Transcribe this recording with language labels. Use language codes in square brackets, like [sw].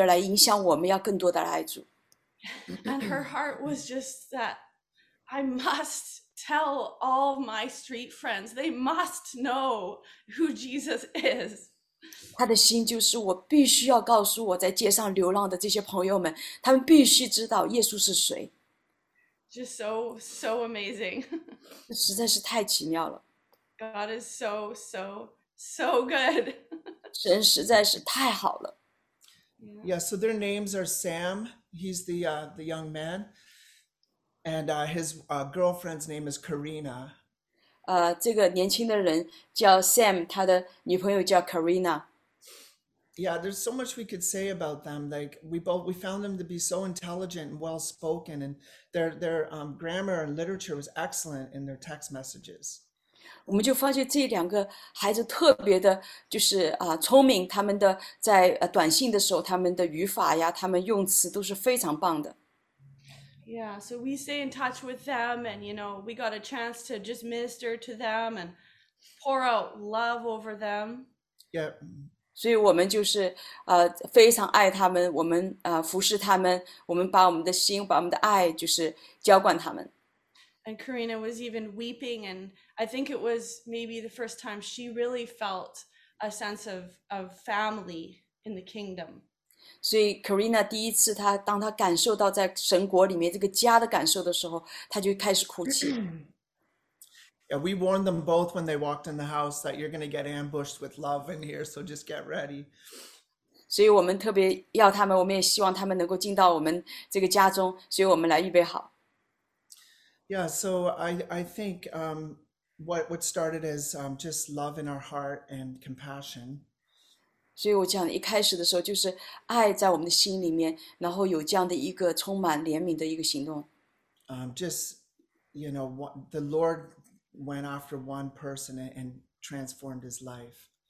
[zh] 她就是这样的，就是如火般的爱主，以至于她里面那个火都能够完全的来影响我们，要更多的来爱主。 [en] And her heart was just that I must tell all my street friends. They must know who Jesus is. [zh] 他的心就是我必须要告诉我在街上流浪的这些朋友们，他们必须知道耶稣是谁。 [en] Just so amazing. [zh] 实在是太奇妙了。 [en] God is so good. [zh] 神实在是太好了。 [en] Yeah, so their names are Sam. He's the young man. And his girlfriend's name is Karina. [zh] 这个年轻的人叫 Sam, 他的女朋友叫 Karina。 [en] Yeah, there's so much we could say about them. Like we found them to be so intelligent and well spoken, and their grammar and literature was excellent in their text messages. [zh] 我们就发觉这两个孩子特别的就是聪明，他们的在短信的时候，他们的语法呀，他们用词都是非常棒的。 [en] Yeah, so we stay in touch with them, and you know, we got a chance to just minister to them and pour out love over them. Yeah. [zh] 所以我们就是非常爱他们，我们服侍他们，我们把我们的心，把我们的爱就是浇灌他们。 [en] And Karina was even weeping, and I think it was maybe the first time she really felt a sense of family in the kingdom. [zh] 所以 Karina 第一次她当她感受到在神国里面这个家的感受的时候，她就开始哭泣。 [en] Yeah, we warned them both when they walked in the house that you're going to get ambushed with love in here, so just get ready. [zh] 所以我们特别要他们，我们也希望他们能够进到我们这个家中，所以我们来预备好。 [en] Yeah, so I think what started as just love in our heart and compassion. [zh] 所以我讲一开始的时候就是爱在我们的心里面，然后有这样的一个充满怜悯的一个行动。 [en] Just, you know, what the Lord went after one person and transformed his life.